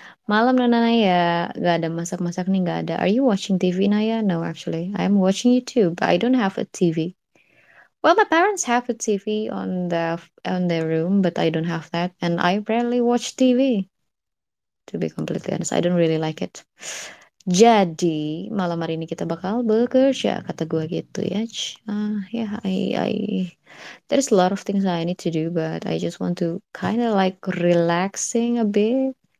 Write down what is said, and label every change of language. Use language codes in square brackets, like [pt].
[id] Malam Nona Naya, gak ada masak-masak nih, gak ada. [en] Are you watching TV, Naya? No, actually. I'm watching YouTube, but I don't have a TV. Well, my parents have a TV on their room, but I don't have that. And I rarely watch TV, to be completely honest. I don't really like it. [id] Jadi, malam hari ini kita bakal bekerja, kata gue gitu ya. [en] Yeah, there's a lot of things I need to do, but I just want to kind of like relaxing a bit.